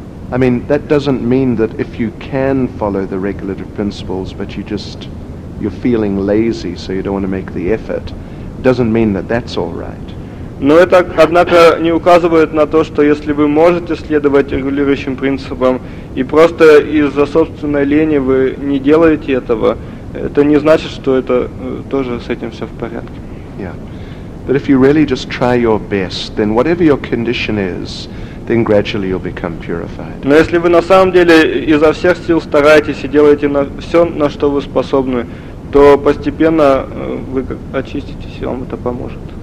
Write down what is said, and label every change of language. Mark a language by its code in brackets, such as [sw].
[en] I mean, that doesn't mean that if you can follow the regulative principles, but you're feeling lazy, so you don't want to make the effort, doesn't mean that that's all right. [ru] Но это, однако, не указывает на то, что если вы можете следовать регулирующим принципам и просто из-за собственной лени вы не делаете этого, это не значит, что это тоже с этим все в порядке. Yeah. [en] But if you really just try your best, then whatever your condition is, then gradually you'll become purified. [ru] Но если вы на самом деле изо всех сил стараетесь и делаете все, на что вы способны, то постепенно вы очиститесь, и вам это поможет.